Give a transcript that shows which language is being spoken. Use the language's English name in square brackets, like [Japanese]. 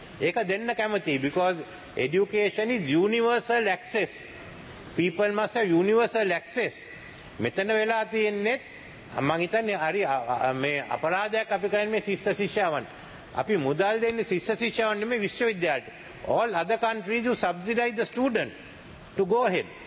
[Sinhala] ඒක දෙන්න කැමතියි [English] because education is universal access. People must have universal access. [Sinhala] මෙතන වෙලා තියෙන්නේ මම හිතන්නේ හරි මේ අපරාධයක් අපි කරන්නේ මේ ශිෂ්‍ය ශිෂ්‍යාවන්ට. අපි මුදල් දෙන්නේ ශිෂ්‍ය ශිෂ්‍යාවන් නෙමෙයි විශ්වවිද්‍යාලට. [English] All other countries do subsidize the student to go ahead.